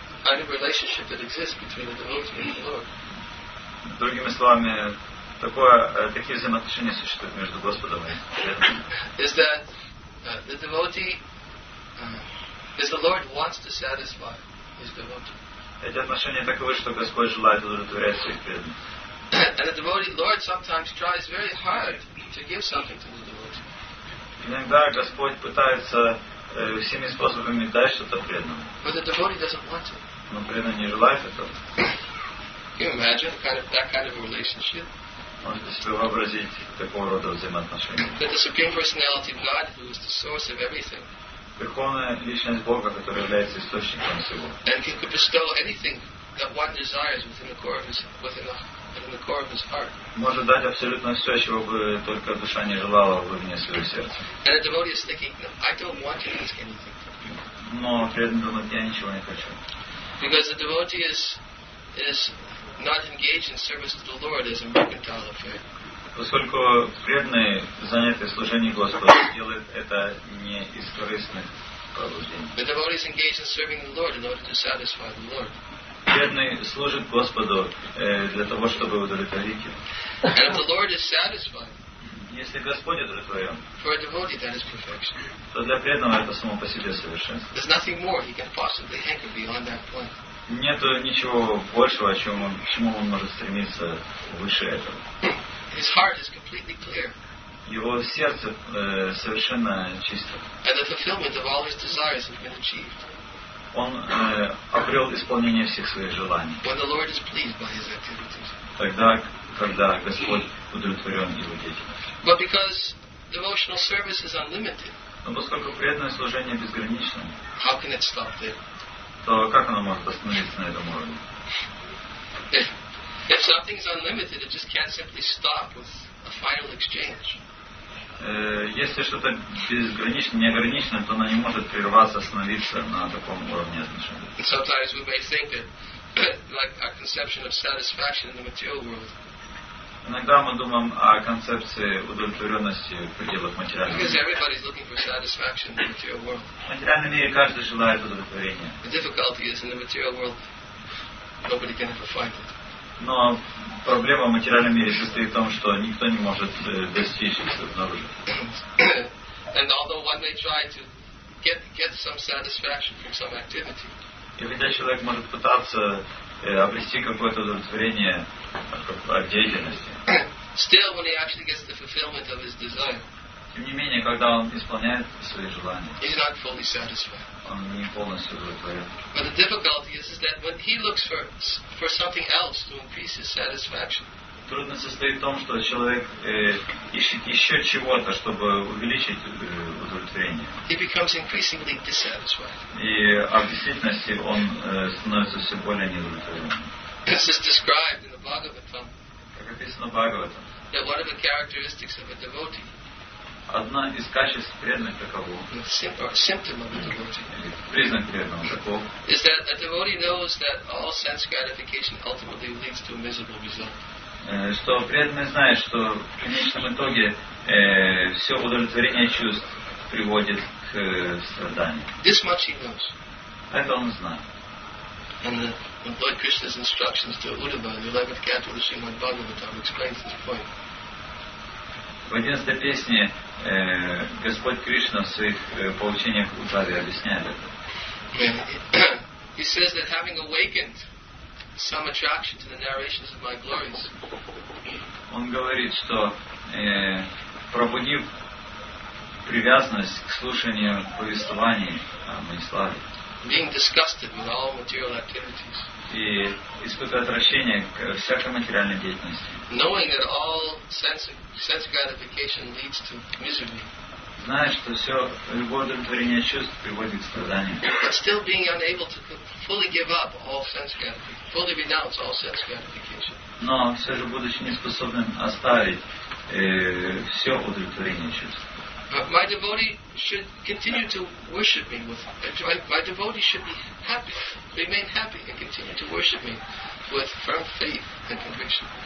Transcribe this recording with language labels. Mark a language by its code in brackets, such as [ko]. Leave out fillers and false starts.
[en] Any relationship that exists between the devotee and the Lord. [ru] Другими словами, такие взаимоотношения существуют между Господом и преданным. [en] Is that the devotee? Is the Lord wants to satisfy his devotee? [ru] Эти отношения таковы, что Господь желает удовлетворять своих преданных. [en] And the devotee, Lord, sometimes tries very hard to give something to the devotee. [ru] Иногда Господь пытается всеми способами дать что-то преданному. [en] But the devotee doesn't want it. [ru] Но преданный не желает этого. [en] Can you imagine that kind of relationship? [ru] Можете себе вообразить такого рода взаимоотношения? [en] That the Supreme Personality of God, who is the source of everything, [ru] Верховная личность Бога, которая является источником всего, [en] and he could bestow anything that one desires within the core of his heart. [ru] Может дать абсолютно все, чего бы только душа не желала в глубине своего сердца. [en] And the devotee is thinking, no, I don't want to ask anything. [ru] Но преданному я ничего не хочу. [en] Because the devotee is not engaged in service to the Lord as a mercantile affair. [ru] Поскольку преданные заняты служением Господу, делают это не из корыстных побуждений. [en] The devotee is engaged in serving the Lord in order to satisfy the Lord. [ru] Преданный служит Господу для того, чтобы удовлетворить его. [en] And if the Lord is satisfied. [ru] Если Господь удовлетворен, [en] for a devotee, that is perfection. [ru] То для преданного это само по себе совершенство. [en] There's nothing more he can possibly hanker beyond that point. [ru] Нет ничего большего, к чему он может стремиться выше этого. [en] His heart is completely clear. [ru] Его сердце совершенно чисто. [en] And the fulfillment of all his desires has been achieved. [ru] Он обрел исполнение всех своих желаний. [en] When the Lord is pleased by his activities. [ru] Тогда, когда Господь удовлетворен его деятельностью. [en] But because devotional service is unlimited. [ru] Но поскольку преданное служение безгранично. [en] How can it stop there? [ru] То как оно может остановиться на этом уровне? [en] If something is unlimited, it just can't simply stop with a final exchange. [ru] Если что-то безгранично, неограничено, то оно не может прерваться, остановиться на таком уровне отношений. [en] Sometimes we may think that, like our conception of satisfaction in the material world. [ru] Иногда мы думаем о концепции удовлетворенности в пределах материальной жизни. [en] Because everybody's looking for satisfaction in the material world. [ru] В материальном мире каждый желает удовлетворения. [en] The difficulty is in the material world, nobody can ever find it. [ru] Но проблема в материальном мире состоит в том, что никто не может достичь этого обнаружить. [en] And although one may try to get some satisfaction from some activity. [ru] И хотя человек может пытаться обрести какое-то удовлетворение от деятельности. [en] Still, when he actually gets the fulfillment of his desire. [ru] Тем не менее, когда он исполняет свои желания. [en] He's not fully satisfied. [ru] Он не полностью удовлетворен. [en] But the difficulty is that when he looks for something else to increase his satisfaction. [ru] Трудность состоит в том, что человек ищет еще чего-то, чтобы увеличить удовлетворение. [en] He becomes increasingly dissatisfied. [ru] И в действительности он становится все более неудовлетворенным. [en] This is described in the Bhagavatam. [ru] Как описано в Бхагаватам. [en] That one of the characteristics of a devotee. [ru] Одна из качеств преданных таково. [en] Symptom of a devotee. [ru] Признак преданного таков. [en] Is that a devotee knows that all sense gratification ultimately leads to a miserable result. [ru] Что преданный знает, что в конечном итоге все удовлетворение чувств приводит к страданию. [en] This much he knows. [ru] Это он знает. [en] And Lord Krishna's instructions to Uddhava, the 11th canto of the Srimad Bhagavatam, explains this point. [ru] В 11th песне Господь Кришна в своих поучениях Уддхаве объясняет это. [en] He says that having awakened some attraction to the narrations of my glories. [ru] Он говорит, что пробудив привязанность к слушанию повествований о моей славе. [en] Being disgusted with all material activities. [ru] И испытывая отвращение к всякой материальной деятельности. [en] Knowing that all sense gratification leads to misery. [ru] Зная, что все любое удовлетворение чувств приводит к страданиям. [en] But still being unable to fully give up all sense gratification, fully renounce all sense gratification. [ru] Но все же будучи неспособным оставить все удовлетворение чувств. [en] My devotee should continue to worship me with. My devotee should be happy, remain happy, and continue to worship me with firm faith and conviction.